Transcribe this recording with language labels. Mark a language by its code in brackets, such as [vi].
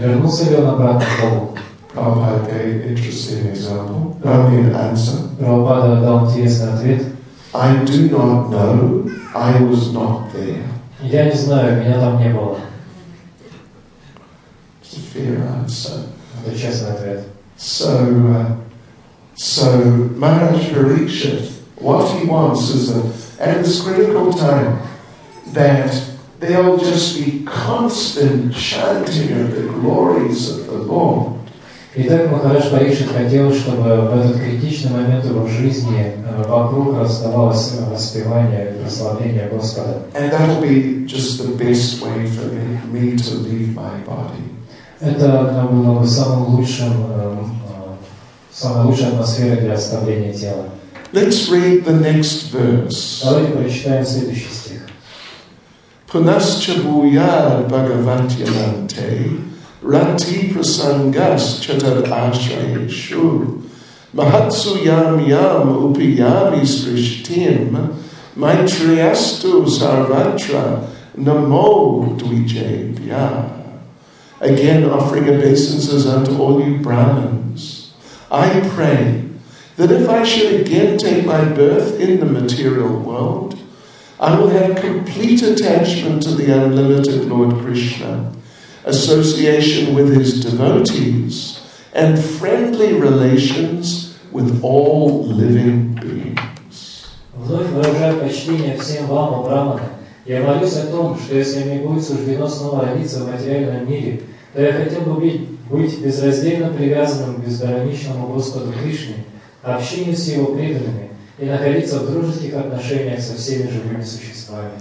[ru] Вернулся ли он обратно к Богу? [en] Prabhupada gave an interesting example. Only an answer. [ru] Prabhupada дал интересный ответ. [en] I do not know. I was not there. [ru] Я не знаю, меня там не было. [en] It's a fair answer. [ru] Это честный ответ. [en] So Maharaj Parikshit, what he wants is that at this critical time that there'll just be constant chanting of the glories of the Lord. [ru] Итак, Махарадж Парикшит хотел, чтобы в этот критичный момент его жизни вокруг раздавалось воспевание и прославление Господа. [en] And that will be just the best way for me to leave my body. [ru] Это было бы самой лучшей атмосферой для оставления тела. [en] Let's read the next verse. [ru] Давайте прочитаем следующий стих. [sa] Пунасча буяр бхагаватьянанте Rati prasangas chatar ashrayeshu Mahatsu yam yam upiyami srishtim Maitriyastu sarvatra namo dvijaybhya. [en] Again offering obeisances unto all you Brahmins. I pray that if I should again take my birth in the material world, I will have complete attachment to the unlimited Lord Krishna, association with his devotees, and friendly relations with all living beings. [ru] Вновь выражаю почтение всем вам, о Брахманы. Я молюсь о том, что если мне будет суждено снова родиться в материальном мире, то я хотел бы быть безраздельно привязанным к безграничному Господу Кришне, общению с его преданными и находиться в дружеских отношениях со всеми живыми существами.